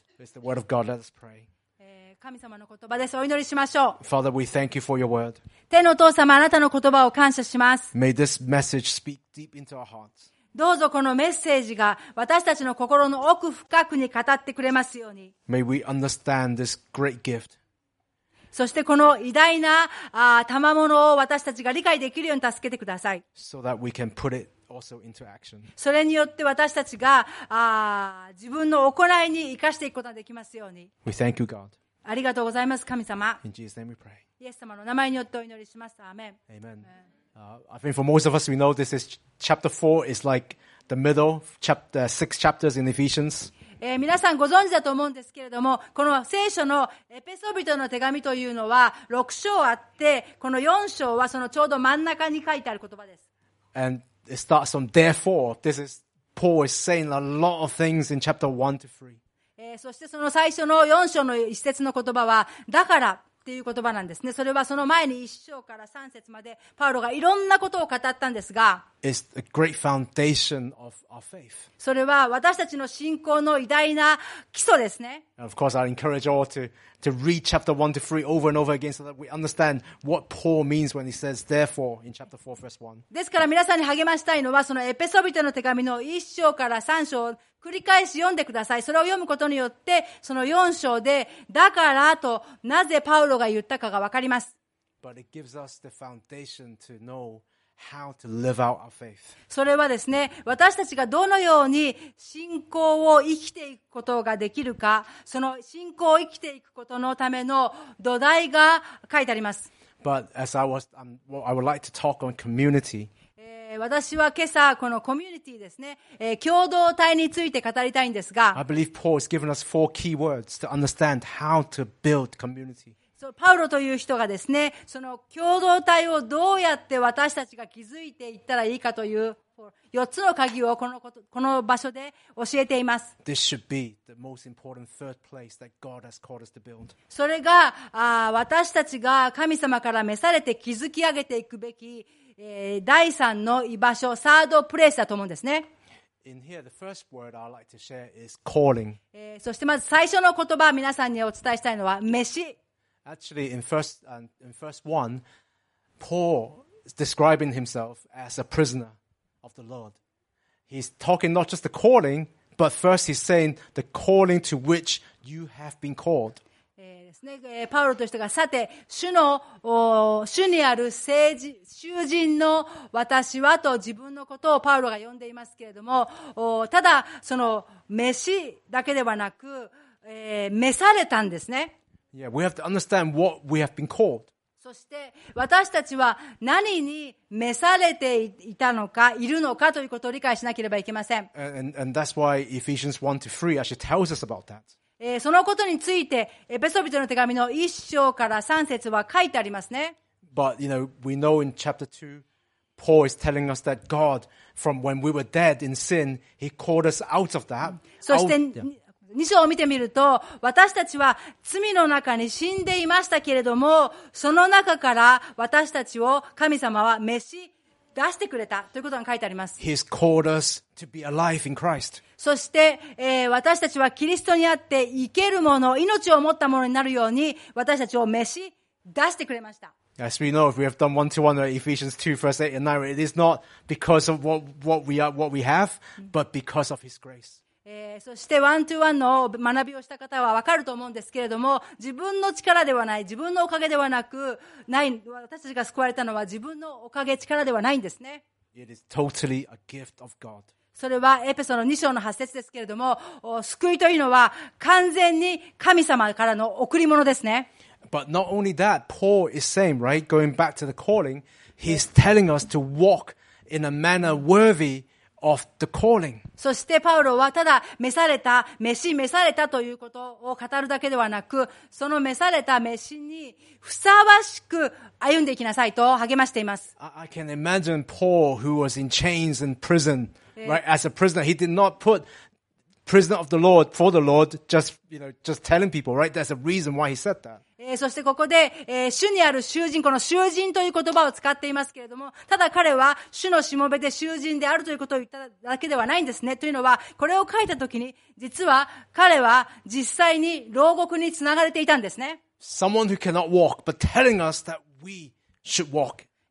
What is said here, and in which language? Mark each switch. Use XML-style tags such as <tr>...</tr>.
<en>It's the word of God. Let us pray.</en> <ja>神様の言葉です。お祈りしましょう。</ja> <en>Father, we thank you for your word.</en> <ja>天のお父様、あなたの言葉を感謝します。</ja> <en>May this message speak deep into our hearts.</en> <ja>どうぞこのメッセージが私たちの心の奥深くに語ってくれますように。</ja> <en>May we understand this great gift.</en> <ja>そしてこの偉大な賜物を私たちが理解できるように助けてください。</ja> <en>So that we can put it also into action.</en> <ja>それによって私たちが自分の行いに生かしていくことができますように。</ja> <en>We thank you, God.</en> <ja>ありがとうございます、神様。</ja> <en>In Jesus' name we pray.</en> <ja>イエス様の名前によってお祈りします。アーメン。</ja> <en>Amen. I think for most of us, we know this is chapter 4 is like the middle, chapter 6 chapters in Ephesians.</en> <ja>皆さんご存知だと思うんですけれども、この聖書のエペソ人の手紙というのは6章あって、この4章はそのちょうど真ん中に書いてある言葉です。</ja> <en>And it starts from therefore. This is Paul is saying a lot of things in chapter 1 to 3.</en> <ja>そしてその最初の4章の一節の言葉は、だから、ていう言葉なんですね。それはその前に1章から3節までパウロがいろんなことを語ったんですが、</ja> <en>It's a great foundation of our faith.</en> <ja>それは私たちの信仰の偉大な基礎ですね。</ja> <en>Of course, I encourage all to read chapter 1 to 3 over and over again so that we understand what Paul means when he says therefore in chapter 4 verse 1.</en> <ja>ですから皆さんに励ましたいのはそのエペソ人の手紙の1章から3章を繰り返し読んでください。それを読むことによってその4章でだからとなぜパウロが言ったかが分かります。</ja> <en>But it gives us the foundation to knowHow to live out our faith.</en> <ja>それはですね、私たちがどのように信仰を生きていくことができるか、その信仰を生きていくことのための土台が書いてあります。</ja> <en>But as I was, I would like to talk on community.</en> <ja>私は今朝このコミュニティですね、共同体について語りたいんですが、</ja> <en>I believe Paul has given us four key words to understand how to build community.</en> <ja>パウロという人がですね、その共同体をどうやって私たちが築いていったらいいかという4つの鍵をこの場所で教えています。</ja> <en>This should be the most important third place that God has called us to build.</en> <ja>それが私たちが神様から召されて築き上げていくべき第三の居場所、サードプレイスだと思うんですね。</ja> <en>In here, the first word I'd like to share is calling.</en> <ja>そしてまず最初の言葉皆さんにお伝えしたいのは召し。</ja> <en>Actually, in first one, Paul is describing himself as a prisoner of the Lord. He's talking not just the calling, but first he's saying the calling to which you have been called.</en> <ja>パウロとしてがさて主にある囚人の私はと自分のことをパウロが呼んでいますけれども、ただその召しだけではなく、召されたんですね。</ja> <en>Yeah, we have to understand what we have been called.</en> <ja>そして私たちは何に召されていたのかいるのかということを理解しなければいけません。</ja> <en>And that's why Ephesians 1 to 3 actually tells us about that.</en> <ja>そのことについてエペソ人の手紙の1章から3節は書いてありますね。</ja> <en>But you know, we know in chapter 2, Paul is telling us that God, from when we were dead in sin, he called us out of that.</en> <ja>そして2章を見てみると私たちは罪の中に死んでいましたけれどもその中から私たちを神様は召し出してくれたということが書いてあります。</ja> <en>He's called us to be alive in Christ.</en> <ja>そして、私たちはキリストにあって生けるもの命を持ったものになるように私たちを召し出してくれました。</ja> <en>As we know, if we have done one-to-one or Ephesians 2, verse 8 and 9, it is not because of what we have, but because of His grace.</en> <ja>そしてワントゥーワンの学びをした方は分かると思うんですけれども自分の力ではない自分のおかげではなくない私たちが救われたのは自分のおかげ力ではないんですね。</ja> <en>It is totally a gift of God.</en> <ja>それはエペソの2章の8節ですけれども救いというのは完全に神様からの贈り物ですね。</ja> <en>But not only that, Paul is saying, right, going back to the calling, he's telling us to walk in a manner worthyOf the calling.</en> <ja>そしてパウロはただ召された召し召されたということを語るだけではなくその召された召しにふさわしく歩んでいきなさいと励ましています。</ja> <en>I can imagine Paul who was in chains and prison, right, as a prisoner. He did not put prisoner of the Lord for the Lord just, you know, just telling people, right? That's a reason why he said that.</en> <ja>そしてここで、主にある囚人、この囚人という言葉を使っていますけれども、ただ彼は主のしもべで囚人であるということを言っただけではないんですね。というのは、これを書いたときに、実は彼は実際に牢獄につながれていたんですね。</ja> <en>Someone who cannot walk, but telling us that we should walk.</en>